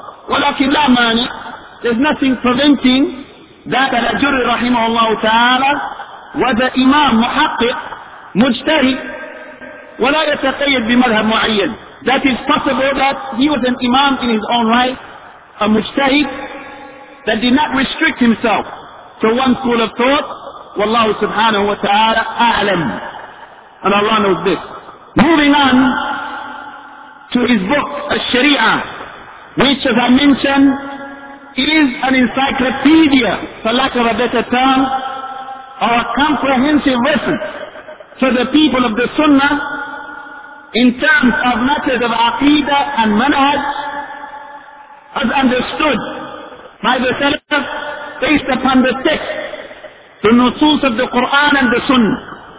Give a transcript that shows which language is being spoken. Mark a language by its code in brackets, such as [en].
[ar] ولكن لا مانع, [en] there's nothing preventing that Al-Ajurri rahimahullah ta'ala was an Imam muhaqqiq, mujtahid, [ar] ولا يتقيد بمذهب معين. [en] That is possible that he was an Imam in his own right, a mujtahid, that did not restrict himself to one school of thought. [ar] والله سبحانه وتعالى أعلم. [en] And Allah knows this. Moving on to his book, Al-Sharia, which as I mentioned, is an encyclopedia, for lack of a better term, or a comprehensive reference to the people of the Sunnah in terms of matters of Aqidah and Manhaj, as understood by the Salaf, based upon the text, the Nusus of the Qur'an and the Sunnah.